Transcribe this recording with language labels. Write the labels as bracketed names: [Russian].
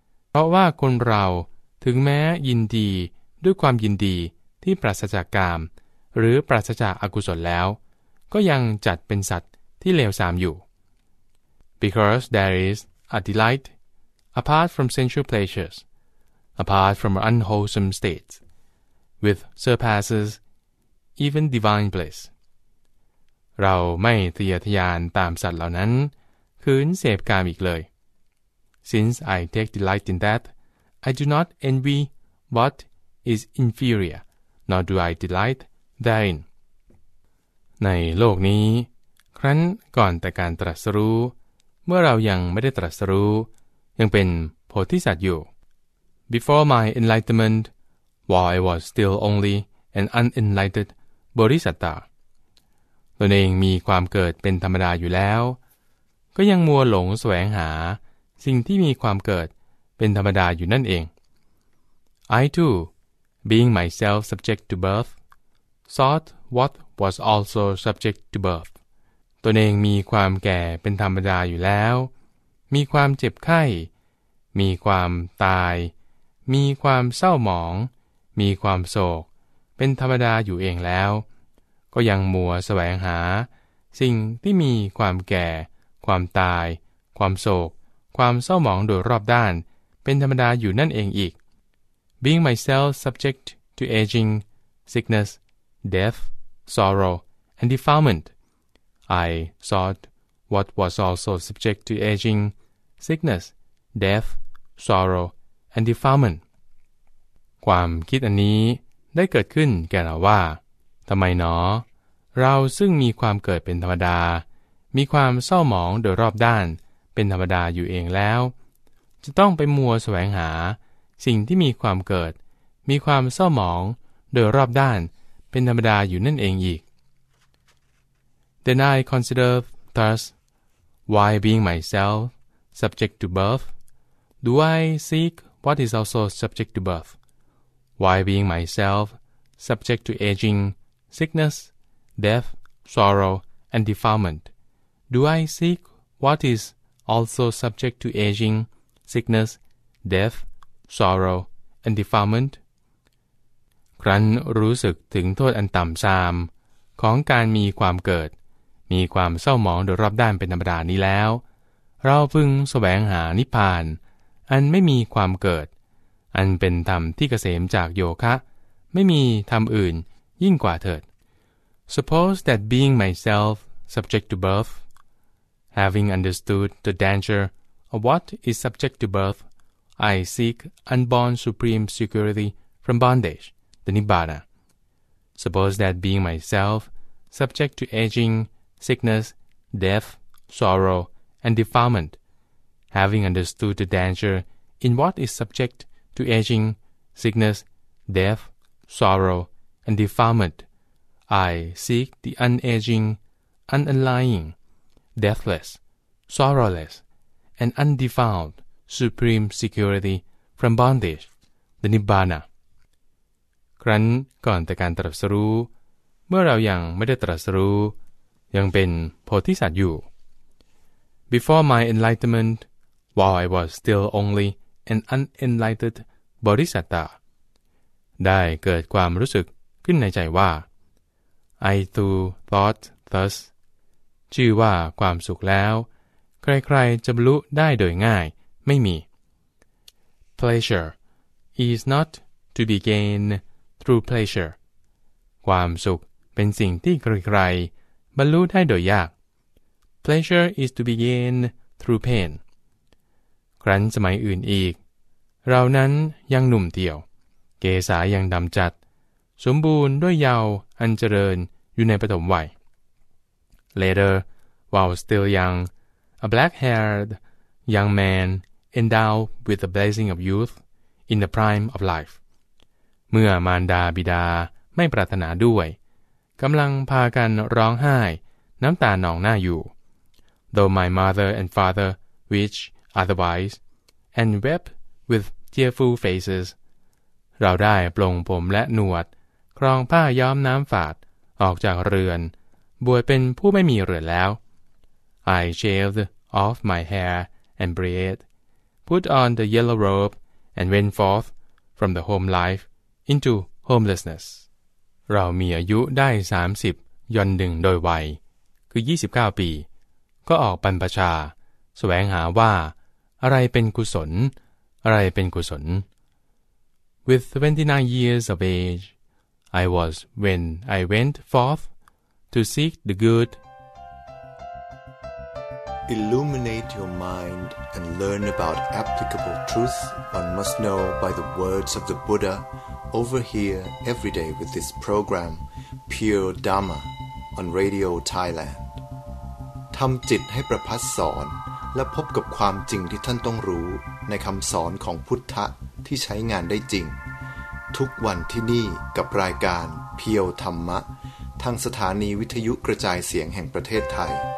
[Thai] เพราะว่าคนเราถึงแม้ยินดีด้วยความยินดีที่ปราศจากกามหรือปราศจากอกุศลแล้วก็ยังจัดเป็นสัตว์ที่เลวทรามอยู่ [English] Because there is a delightApart from sensual pleasures, apart from unwholesome states, which surpasses even divine bliss. [Thai] เราไม่ทะเยอทะยานตามสัตว์เหล่านั้นขืนเสพกามอีกเลย [English] Since I take delight in that, I do not envy what is inferior, nor do I delight therein. [Thai] ในโลกนี้ครั้นก่อนแต่การตรัสรู้เมื่อเรายังไม่ได้ตรัสรู้ยังเป็นโพธิสัตว์อยู่ [English] Before my enlightenment, while I was still only an unenlightened bodhisattva, [Thai] ตนเองมีความเกิดเป็นธรรมดาอยู่แล้วก็ยังมัวหลงแสวงหาสิ่งที่มีความเกิดเป็นธรรมดาอยู่นั่นเอง [English] I too, being myself subject to birth, sought what was also subject to birth. [Thai] ตนเองมีความแก่เป็นธรรมดาอยู่แล้วมีความเจ็บไข้มีความตายมีความเศร้าหมองมีความโศกเป็นธรรมดาอยู่เองแล้วก็ยังมัวแสวงหาสิ่งที่มีความแก่ความตาย ความโศกความเศร้าหมองโดยรอบด้านเป็นธรรมดาอยู่นั่นเองอีก [English] Being myself subject to aging, sickness, death, sorrow, and defilement, I sought what was also subject to aging, sickness, death, sorrow, and defilement. [Thai] ความคิดอันนี้ได้เกิดขึ้นแก่เราว่าทำไมหนอเราซึ่งมีความเกิดเป็นธรรมดามีความเศร้าหมองโดยรอบด้านเป็นธรรมดาอยู่เองแล้วจะต้องไปมัวแสวงหาสิ่งที่มีความเกิดมีความเศร้าหมองโดยรอบด้านเป็นธรรมดาอยู่นั่นเองอีก [English] Then I consider thus, why being myself subject to birth, do I seek what is also subject to birth? Why being myself subject to aging, sickness, death, sorrow, and defilement, do I seek what is also subject to aging, sickness, death, sorrow, and defilement? [Thai] ครั้นรู้สึกถึงโทษอันต่ำทรามของการมีความเกิดมีความเศร้าหมองโดยรอบด้านเป็นธรรมดานี้แล้วเราพึงแสวงหานิพพานอันไม่มีความเกิดอันเป็นธรรมที่เกษมจากโยคะไม่มีธรรมอื่นยิ่งกว่าเถิด [English] Suppose that being myself subject to birth, having understood the danger of what is subject to birth, I seek unborn supreme security from bondage, the Nibbana. Suppose that being myself subject to aging, sickness, death, sorrow, and defilement, having understood the danger in what is subject to aging, sickness, death, sorrow, and defilement, I seek the unaging, unalloying, deathless, sorrowless, and undefiled supreme security from bondage, the Nibbana. [Thai] ครั้นก่อนแต่การตรัสรู้เมื่อเรายังไม่ได้ตรัสรู้ยังเป็นโพธิสัตว์อยู่ [English] Before my enlightenment, while I was still only an unenlightened bodhisattva, [Thai] ได้เกิดความรู้สึกขึ้นในใจว่า [English] I too thought thus, [Thai] ชื่อว่าความสุขแล้วใครๆจะบรรลุได้โดยง่ายไม่มี [English] Pleasure is not to be gained through pleasure. [Thai] ความสุขเป็นสิ่งที่ใครๆบรรลุได้โดยยาก [English] Pleasure is to be gained through pain. [Thai] ครั้นสมัยอื่นอีกเรานั้นยังหนุ่มเดียวเกศายังดำจัดสมบูรณ์ด้วยเยาว์อันเจริญอยู่ในปฐมวัย [English] Later, while still young, a black-haired young man endowed with the blessing of youth in the prime of life. [Thai] เมื่อมารดาบิดาไม่ปรารถนาด้วยกำลังพากันร้องไห้น้ำตาหนองหน้าอยู่ [English] Though my mother and father wished otherwise and wept with tearful faces [Thai] เราได้ปลงผมและหนวดครองผ้าย้อมน้ำฝาดออกจากเรือนบวชเป็นผู้ไม่มีเรือนแล้ว [English] I shaved off my hair and braided put on the yellow robe and went forth from the home life into homelessness [Thai] เรามีอายุได้30ย่อนหนึ่งโดยวัยคือ29ปีก็ออกบรรพชาแสวงหาว่าอะไรเป็นกุศลอะไรเป็นกุศล [English] With 29 years of age I was when I went forth to seek the good Illuminate your mind and learn about applicable truth one must know by the words of the BuddhaOver here every day with this program Pure Dharma on Radio Thailand [Thai] ทำจิตให้ประพัสสอนและพบกับความจริงที่ท่านต้องรู้ในคำสอนของพุทธะที่ใช้งานได้จริงทุกวันที่นี่กับรายการ Pure Dharma ทางสถานีวิทยุกระจายเสียงแห่งประเทศไทย